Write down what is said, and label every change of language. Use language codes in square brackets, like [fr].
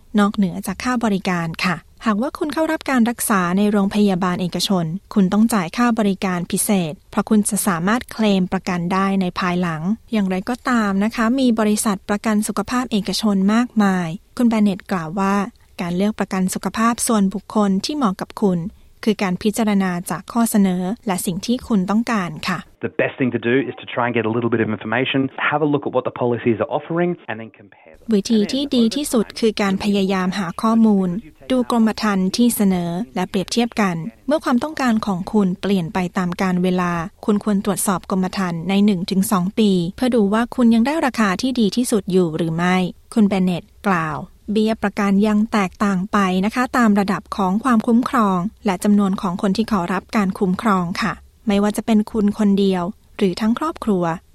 [th] นอกเหนือจากค่าบริการค่ะหากว่าคุณเข้ารับการรักษาในโรงพยาบาลเอกชนคุณต้องจ่ายค่าบริการพิเศษเพราะคุณจะสามารถเคลมประกันได้ในภายหลังอย่างไรก็ตามนะคะมีบริษัทประกันสุขภาพเอกชนมากมายคุณแบนเน็ตกล่าวว่าการเลือกประกันสุขภาพส่วนบุคคลที่เหมาะกับคุณคือการพิจารณาจากข้อเสนอและสิ่งที่คุณต้องการค่ะ [en] The best thing to do is to try and get a little bit of information, have a look at what the policies are offering and then compare them. [th] วิธีที่ดีที่สุดคือการพยายามหาข้อมูลดูกรมธรรม์ที่เสนอและเปรียบเทียบกันเมื่อความต้องการของคุณเปลี่ยนไปตามการเวลาคุณควรตรวจสอบกรมธรรม์ใน 1-2 ปีเพื่อดูว่าคุณยังได้ราคาที่ดีที่สุดอยู่หรือไม่คุณเบนเน็ตกล่าวเบี้ยประกันยังแตกต่างไปนะคะตามระดับของความคุ้มครองและจำนวนของคนที่ขอรับการคุ้มครองค่ะไม่ว่าจะเป็นคุณคนเดียวหรือทั้งครอบครัว